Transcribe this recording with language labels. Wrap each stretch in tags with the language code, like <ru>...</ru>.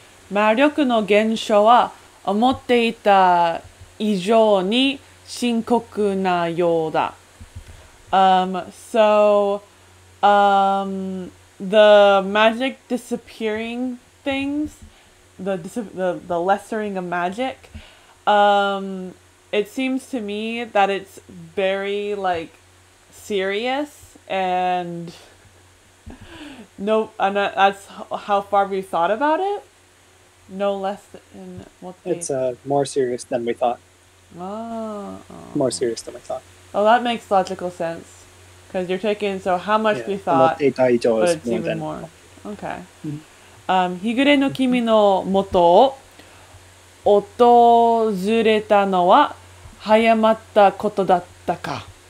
<ja>魔力の減少は思っていた以上に深刻なようだ。</ja> <en>The magic disappearing things, the lessering of magic, it seems to me that it's very, like, serious, and no, and that's how far we thought about it. No less than what they... It's more serious than we thought. Oh. More serious than we thought. Well, that makes logical sense. Because you're taking, so how much we thought, but it's even more. Okay.</en> <ja>ヒグレの君の元を訪れたのは早まったことだったか。</ja>